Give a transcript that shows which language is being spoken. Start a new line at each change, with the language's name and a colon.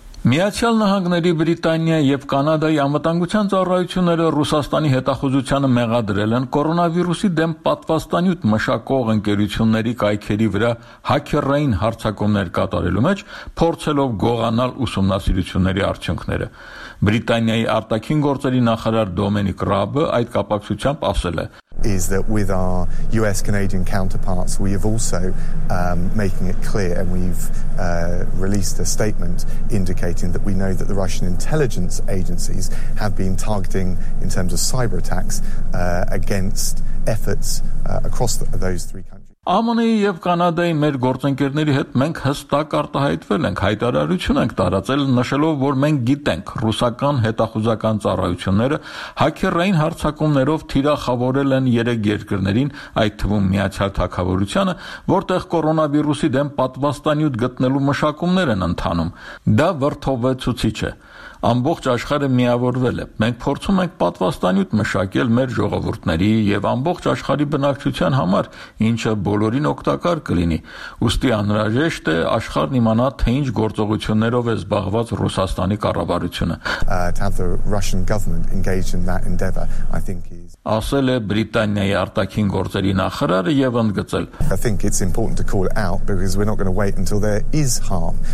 Armenian: Միացյալ Նահանգների, Բրիտանիա և Կանադայի անվտանգության ծառայությունները Ռուսաստանի հետախուզությանը մեղադրել են կորոնավիրուսի դեմ պատվաստանյութ մշակող ընկերությունների կայքերի վրա հաքերային հարձակումներ կատարելու մեջ, փորձելով գողանալ ուսումնասիրությունների արդյունքները։ Բրիտանիայի արտաքին գործերի նախարար Դոմինիկ Ռաբը այդ կապակցությամբ ասել է.
English: Is that with our US Canadian counterparts, we have also making it clear, and we've released a statement indicating that we know that the Russian intelligence agencies have been targeting, in terms of cyber attacks, against efforts across those three countries.
Armenian: ԱՄՆ-ի եւ Կանադայի մեր գործընկերների հետ մենք հստակ արտահայտվել ենք, հայտարարություն ենք տարածել, նշելով, որ մենք գիտենք ռուսական հետախուզական ծառայությունները հաքերային հարձակումներով թիրախավորել են 3 երկրներին, այդ թվում Միացյալ Թագավորությունը, որտեղ կորոնավիրուսի դեմ պատվաստանյութ գտնելու մշակումներ են ընթանում։ Դա վրթովը ցուցիչ է։ Ամբողջ աշխարհը միավորվել է։ Մենք փորձում ենք պատվաստանյութ մշակել մեր ժողովուրդների եւ ամբողջ աշխարհի բնակչության համար, ինչը բոլորին օգտակար կլինի։ Ուստի անհրաժեշտ է աշխարհն իմանա, թե ինչ գործողություններով է զբաղված Ռուսաստանի կառավարությունը։ Ասել է Բրիտանիայի արտաքին գործերի նախարարը եւ ընդգծել.
English: I think it's important to call it out because we're not going to wait until there is harm.